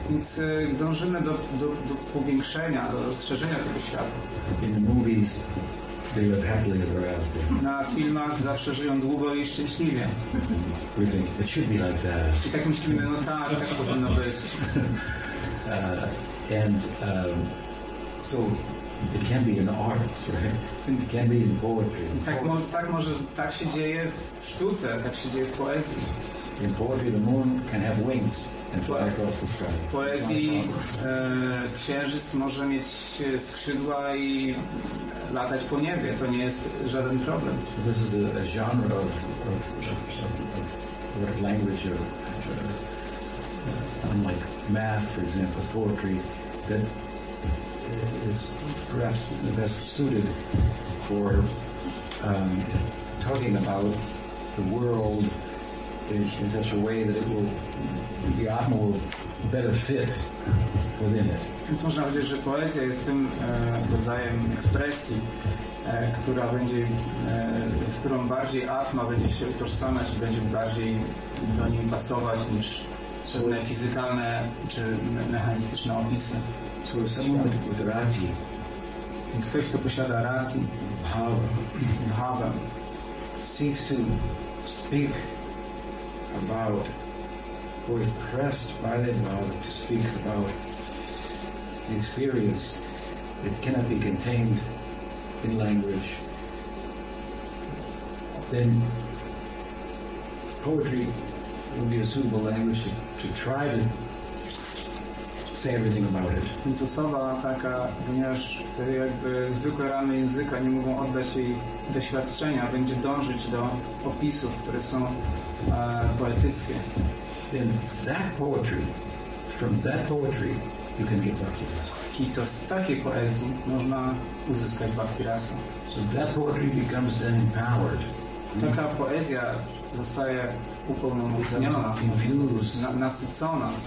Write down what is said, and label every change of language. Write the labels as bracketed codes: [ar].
[pl] Więc dążymy do powiększenia, do rozszerzenia tego świata. [en] In the movies, they live happily ever after. [pl] Na filmach zawsze żyją długo i szczęśliwie. [en] We think it should be like that. [pl] I tak myślimy, no tak powinno być. [en] So it can be in the arts, right? It can be in poetry. [pl] Tak się dzieje w sztuce, tak się dzieje w poezji. [en] In poetry, the moon can have wings and fly across the sky. [pl] W poezji księżyc może mieć skrzydła i latać po niebie. To nie jest żaden problem. [en] So this is a genre of language or unlike math, for example, poetry, that is perhaps the best suited for talking about the world in such a way that it will, the atma will better fit within it. [pl] Więc można powiedzieć, że poezja jest tym rodzajem ekspresji, która będzie, z którą bardziej atma będzie się utożsamiać i będzie bardziej do nim pasować niż pewne fizykalne czy mechanistyczne opisy. [en] So if someone with rati, [pl] więc ktoś, kto posiada rati, [en] bhava, seeks to speak about, or is pressed by the bhava to speak about the experience, it cannot be contained in language, then poetry would be a suitable language to try to say everything about it. [pl] Więc osoba taka, ponieważ jakby zwykłe ramy języka nie mogą oddać jej doświadczenia, będzie dążyć do opisów, które są poetyckie. [en] Then that poetry, from that poetry, you can get bhakti rasa. [pl] I to z takiej poezji można uzyskać bhakti rasa. [en] So that poetry becomes then empowered. [pl] Taka poezja zostaje upełnomocniona, nasycona